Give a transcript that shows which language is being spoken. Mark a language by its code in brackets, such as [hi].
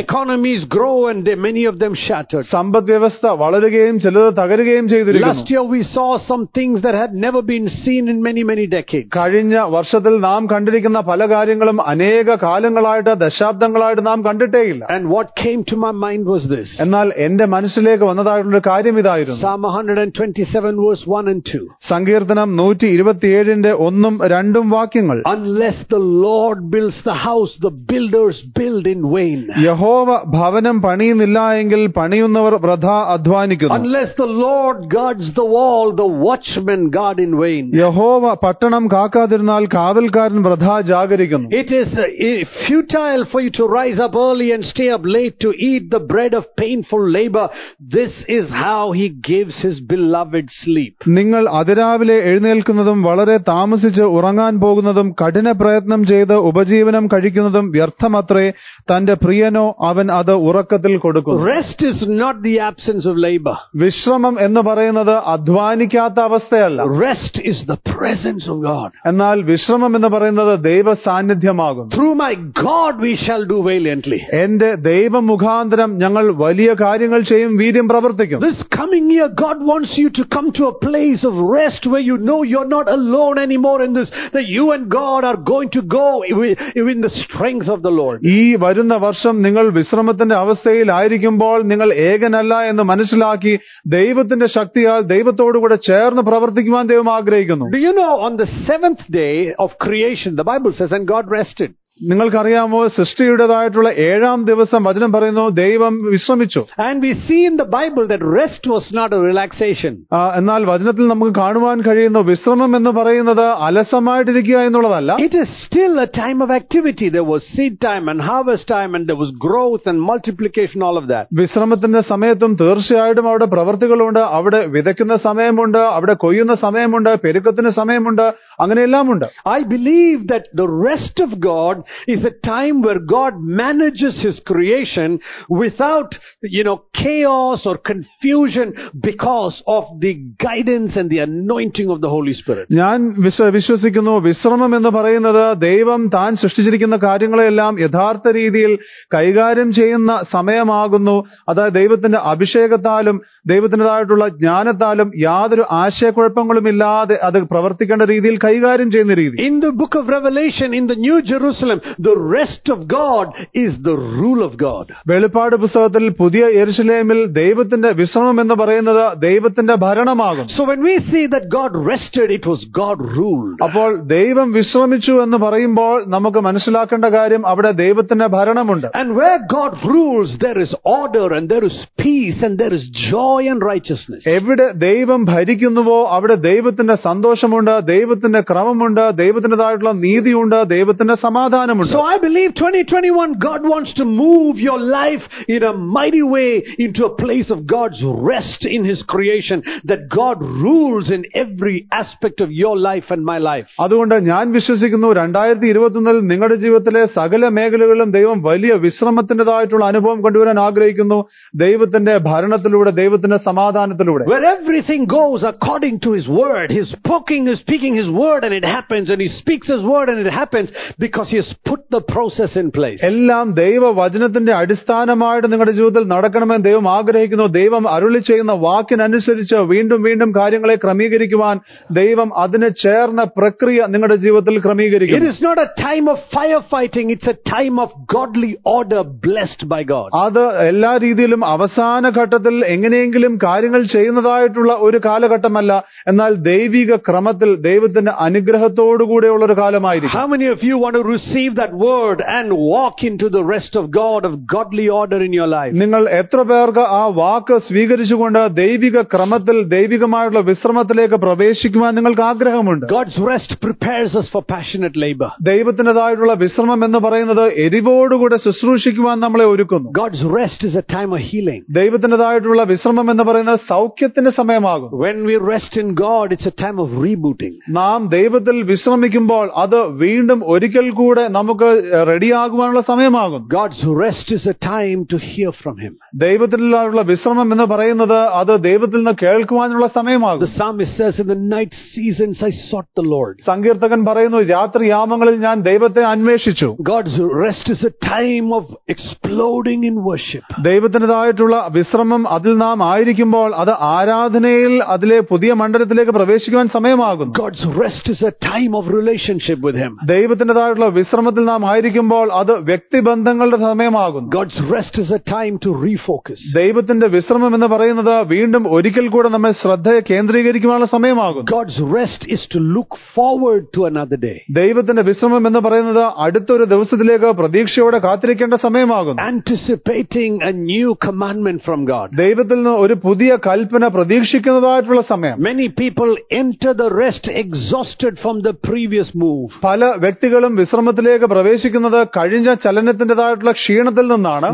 [en] Economies grow and many of them shattered. [ml] സമ്പദ് വ്യവസ്ഥ വളരുകയും ചിലത് തകരുകയും ചെയ്തിരിക്കുന്നു. [en] Last year we saw some things that had never been seen in many many decades. [ml] കഴിഞ്ഞ വർഷത്തിൽ നാം കണ്ടിരിക്കുന്ന പല കാര്യങ്ങളും അനേക കാലങ്ങളായിട്ട് ദശാബ്ദങ്ങളായിട്ട് നാം കണ്ടിട്ടേയില്ല. [en] And what came to my mind was this. [ml] എന്നാൽ എന്റെ മനസ്സിലേക്ക് വന്നതായിട്ടുള്ള കാര്യം ഇതായിരുന്നു. [en] Psalm 127 verse 1 and 2. [ml] സങ്കീർത്തനം 127-ന്റെ 1-ഉം 2-ഉം വാക്യങ്ങൾ. [en] Unless the Lord builds the house, the builders build in vain. [ml] യഹോവ ഭവനം പണിയുന്നില്ലെങ്കിൽ പണിയുന്നവർ വൃഥാ അധ്വാനിക്കുന്നു. [en] Unless the Lord guards the wall, the watchmen guard in vain. [ml] യഹോവ പട്ടണം കാക്കാതിരുന്നാൽ കാവൽക്കാരൻ വൃഥാ ജാഗരിക്കുന്നു. [en] It is futile for you to rise up early and stay up late to eat the bread of painful labor. This is how he gives his beloved sleep. [ml] നിങ്ങൾ അതിരാവിലെ എഴുന്നേൽക്കുന്നതും വളരെ താമസിച്ച് ഉറങ്ങാൻ പോകുന്നതും കഠിന പ്രയത്നം ചെയ്ത് ഉപജീവനം കഴിക്കുന്നതും വ്യർത്ഥമത്രേ. തന്റെ പ്രിയനോ അവൻ അത് ഉറക്കത്തിൽ കൊടുക്കുന്നു. [en] Rest is not the absence of labor. [ml] വിശ്രമം എന്ന് പറയുന്നത് അധ്വാനിക്കാത്ത അവസ്ഥയല്ല. [en] Rest is the presence of God. [ml] എന്നാൽ വിശ്രമം എന്ന് പറയുന്നത് ദൈവ സാന്നിധ്യമാകുന്നു. [en] Through my God we shall do valiantly. [ml] എന്റെ ദൈവ മുഖാന്തരം ഞങ്ങൾ വലിയ കാര്യങ്ങൾ ചെയ്യും, വീര്യം പ്രവർത്തിക്കും. [en] This coming year God wants you to come to a place of rest where you know you're not alone anymore in this, that you and God are going to go in the strength of the Lord. [ml] ഈ വരുന്ന വർഷം നിങ്ങൾ വിശ്രമത്തിന്റെ അവസ്ഥയിൽ ആയിരിക്കുമ്പോൾ നിങ്ങൾ ഏകനല്ല എന്ന് മനസ്സിലാക്കി ദൈവത്തിന്റെ ശക്തിയാൽ ദൈവത്തോടു കൂടെ ചേർന്ന് പ്രവർത്തിക്കുവാൻ ദൈവം ആഗ്രഹിക്കുന്നു. [en] Do you know on the 7th day of creation the Bible says and God rested. [ml] നിങ്ങൾക്കറിയാമോ സൃഷ്ടിയുടേതായിട്ടുള്ള ഏഴാം ദിവസം വചനം പറയുന്നു ദൈവം വിശ്രമിച്ചു. [en] And we see in the Bible that rest was not a relaxation. [ml] എന്നാൽ വചനത്തിൽ നമുക്ക് കാണുവാൻ കഴിയുന്ന വിശ്രമം എന്ന് പറയുന്നത് അലസമായിട്ടിരിക്കുക എന്നുള്ളതല്ല. [en] It is still a time of activity. There was seed time and harvest time and there was growth and multiplication, all of that. [ml] വിശ്രമത്തിന്റെ സമയത്തും തീർച്ചയായിട്ടും അവിടെ പ്രവൃത്തികളുണ്ട്. അവിടെ വിതയ്ക്കുന്ന സമയമുണ്ട്, അവിടെ കൊയ്യുന്ന സമയമുണ്ട്, പെരുക്കത്തിന് സമയമുണ്ട്, അങ്ങനെയെല്ലാമുണ്ട്. [en] I believe that the rest of God is a time where God manages his creation without, you know, chaos or confusion because of the guidance and the anointing of the Holy Spirit. [ml] ഞാൻ വിശ്വസിക്കുന്നു വിശ്രമം എന്ന് പറയുന്നത് ദൈവം താൻ സൃഷ്ടിച്ചിരിക്കുന്ന കാര്യങ്ങളെല്ലാം യഥാർത്ഥ രീതിയിൽ കൈകാര്യം ചെയ്യുന്ന സമയമാകുന്നു. അതായത് ദൈവത്തിന്റെ അഭിഷേകത്താലും ദൈവത്തിൻ്റെതായിട്ടുള്ള ജ്ഞാനത്താലും യാതൊരു ആശയക്കുഴപ്പങ്ങളും ഇല്ലാതെ അത് പ്രവർത്തിക്കേണ്ട രീതിയിൽ കൈകാര്യം ചെയ്യുന്ന രീതി. [en] In the book of Revelation in the New Jerusalem, the rest of God is the rule of God. [ml] വെളിപ്പാട് പുസ്തകത്തിൽ പുതിയ യെരുശലേമിൽ ദൈവത്തിന്റെ വിശ്രമം എന്ന് പറയുന്നത് ദൈവത്തിന്റെ ഭരണമാകും. [en] So when we see that God rested, it was God ruled. [ml] അപ്പോൾ ദൈവം വിശ്രമിച്ചു എന്ന് പറയുമ്പോൾ നമുക്ക് മനസ്സിലാക്കേണ്ട കാര്യം അവിടെ ദൈവത്തിന്റെ ഭരണമുണ്ട്. [en] And where God rules, there is order and there is peace and there is joy and righteousness. [ml] എവിടെ ദൈവം ഭരിക്കുന്നുവോ അവിടെ ദൈവത്തിന്റെ സന്തോഷമുണ്ട്, ദൈവത്തിന്റെ ക്രമമുണ്ട്, ദൈവത്തിന്റേതായിട്ടുള്ള നീതിയുണ്ട്, ദൈവത്തിന്റെ സമാധാനമുണ്ട്. [en] So I believe 2021 God wants to move your life in a mighty way into a place of God's rest in his creation, that God rules in every aspect of your life and my life. [ml] അതുകൊണ്ട് ഞാൻ വിശ്വസിക്കുന്നു 2021-ൽ നിങ്ങളുടെ ജീവിതത്തിലെ സകല മേഖലകളിലും ദൈവം വലിയ വിശ്രമത്തിന്റേതായിട്ടുള്ള അനുഭവം കൊണ്ടുവരാൻ ആഗ്രഹിക്കുന്നു. ദൈവത്തിന്റെ ഭരണത്തിലൂടെ, ദൈവത്തിന്റെ സമാധാനത്തിലൂടെ. [en] Where everything goes according to his word, he's spoken, he's speaking his word and it happens, and he speaks his word and it happens because he has put the process in place. [ml] എല്ലാം ദൈവ വചനത്തിന്റെ അടിസ്ഥാനമായിട്ട് നിങ്ങളുടെ ജീവിതത്തിൽ നടക്കണമെന്ന് ദൈവം ആഗ്രഹിക്കുന്നു. ദൈവം അരുളി ചെയ്യുന്ന വാക്കിനനുസരിച്ച് വീണ്ടും വീണ്ടും കാര്യങ്ങളെ ക്രമീകരിക്കുവാൻ ദൈവം അതിനെ ചേർന്ന പ്രക്രിയ നിങ്ങളുടെ ജീവിതത്തിൽ ക്രമീകരിക്കും. [en] It is not a time of fire fighting, it's a time of godly order blessed by God. [ml] അത് എല്ലാ രീതിയിലും അവസാന ഘട്ടത്തിൽ എങ്ങനെയെങ്കിലും കാര്യങ്ങൾ ചെയ്യുന്നതായിട്ടുള്ള ഒരു കാലഘട്ടമല്ല, എന്നാൽ ദൈവിക ക്രമത്തിൽ ദൈവത്തിന്റെ അനുഗ്രഹത്തോടുകൂടെയുള്ള ഒരു കാലമായിരിക്കും. [en] How many of you want to receive receive that word and walk into the rest of God, of godly order in your life. [ml] നിങ്ങൾ എത്ര പേർക്ക് ആ വാക്ക് സ്വീകരിച്ചുകൊണ്ട് ദൈവിക ക്രമത്തിൽ ദൈവികമായുള്ള വിശ്രമത്തിലേക്ക് പ്രവേശിക്കുവാൻ നിങ്ങൾക്ക് ആഗ്രഹമുണ്ട്? [en] God's rest prepares us for passionate labor. [ml] ദൈവത്തിന്റേതായിട്ടുള്ള വിശ്രമം എന്ന് പറയുന്നത് എരിവോടുകൂടെ ശുശ്രൂഷിക്കുവാൻ നമ്മളെ ഒരുക്കുന്നു. [en] God's rest is a time of healing. [ml] ദൈവത്തിന്റേതായിട്ടുള്ള വിശ്രമം എന്ന് പറയുന്നത് സൗഖ്യത്തിന്റെ സമയമാകും. [en] When we rest in God, it's a time of rebooting. [ml] നാം ദൈവത്തിൽ വിശ്രമിക്കുമ്പോൾ അത് വീണ്ടും ഒരിക്കൽ കൂടെ നമുക്ക് റെഡിയാകുവാനുള്ള സമയമാകും. [en] God's rest is a time to hear from him. [ml] ദൈവത്തിലുള്ള വിശ്രമം എന്ന് പറയുന്നത് അത് ദൈവത്തിൽ നിന്ന് കേൾക്കുവാനുള്ള സമയമാകും. [en] The psalmist says, in the night seasons I sought the Lord. [ml] സങ്കീർത്തകൻ പറയുന്നു, രാത്രിയാമങ്ങളിൽ ഞാൻ ദൈവത്തെ അന്വേഷിച്ചു. [en] God's rest is a time of exploding in worship. [ml] ദൈവത്തിന്റേതായിട്ടുള്ള വിശ്രമം അതിൽ നാം ആയിരിക്കുമ്പോൾ അത് ആരാധനയിൽ അതിലെ പുതിയ മണ്ഡലത്തിലേക്ക് പ്രവേശിക്കുവാൻ സമയമാകുന്നു. [en] God's rest is a time of relationship with him. [ml] ദൈവത്തിന്റേതായിട്ടുള്ള വിശ്രമത്തിൽ നാം ആയിരിക്കുമ്പോൾ അത് വ്യക്തിബന്ധങ്ങളുടെ സമയമാകുന്നു. [en] God's rest is a time to refocus. [ml] ദൈവത്തിന്റെ വിശ്രമം എന്ന് പറയുന്നത് വീണ്ടും ഒരിക്കൽ കൂടെ നമ്മെ ശ്രദ്ധയെ കേന്ദ്രീകരിക്കുവാനുള്ള സമയമാകുന്നു. [en] God's rest is to look forward to another day. [ml] ദൈവത്തിന്റെ വിശ്രമം എന്ന് പറയുന്നത് അടുത്തൊരു ദിവസത്തിലേക്ക് പ്രതീക്ഷയോടെ കാത്തിരിക്കേണ്ട സമയമാകുന്നു. [en] Anticipating a new commandment from God. [ml] ദൈവത്തിൽ നിന്ന് ഒരു പുതിയ കൽപ്പന പ്രതീക്ഷിക്കുന്നതായിട്ടുള്ള സമയം. [en] Many people enter the rest exhausted from the previous move. [ml] പല വ്യക്തികളും വിശ്രമത്തിലേക്ക് പ്രവേശിക്കുന്നത് കഴിഞ്ഞ ചലനത്തിന്റേതായിട്ടുള്ള ക്ഷീണത്തിൽ നിന്നാണ്.